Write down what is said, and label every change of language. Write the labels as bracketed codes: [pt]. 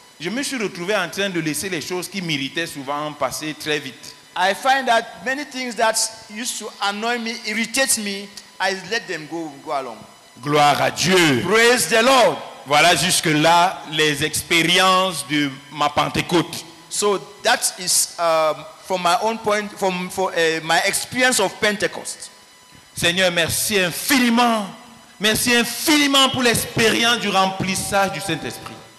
[fr] je me suis retrouvé en train de laisser les choses qui m'irritaient souvent passer très vite. [en] I find that many things that used to annoy me, irritate me, I let them go along. [fr] Gloire à Dieu. [en] Praise the Lord. [fr] Voilà jusque là les expériences de ma Pentecôte. [en] So that is from my own point, from my experience of Pentecost. [fr] Seigneur, merci infiniment. Merci infiniment pour l'expérience du remplissage du Saint-Esprit.